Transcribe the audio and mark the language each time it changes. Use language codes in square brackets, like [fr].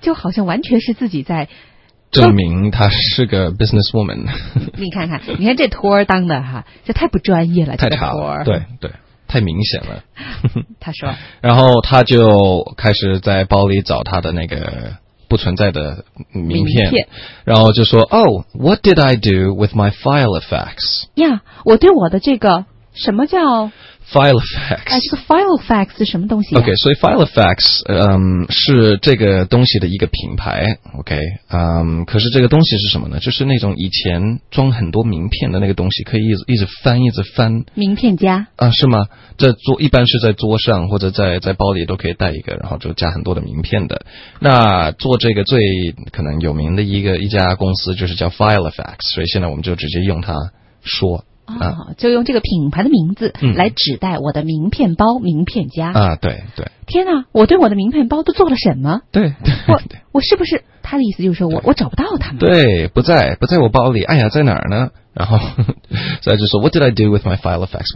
[zh] 就好像完全是自己在证明他是个 businesswoman。你看这托儿当的哈，这太不专业了，太差了。对对，太明显了。他说，然后他就开始在包里找他的那个不存在的名片，然后就说 [en] ：“Oh, what did I do with my file effects？” [zh] 呀，我对我的这个什么叫 file effects？哎，这个 file effects 是什么东西、啊、？OK， 所以 file effects， 是这个东西的一个品牌。 OK， 可是这个东西是什么呢？就是那种以前装很多名片的那个东西，可以一直翻，一直翻。名片夹啊？是吗？在桌一般是在桌上或者在包里都可以带一个，然后就加很多的名片的。那做这个最可能有名的一家公司就是叫 FileFX， 所以现在我们就直接用它说啊、就用这个品牌的名字来指代我的名片包、名片夹啊。对对。天哪，我对我的名片包都做了什么？对对。我是不是他的意思就是说我找不到他们？对，不在我包里。哎呀，在哪儿呢？然后，所以就说 [en] "What did I do with my file effects?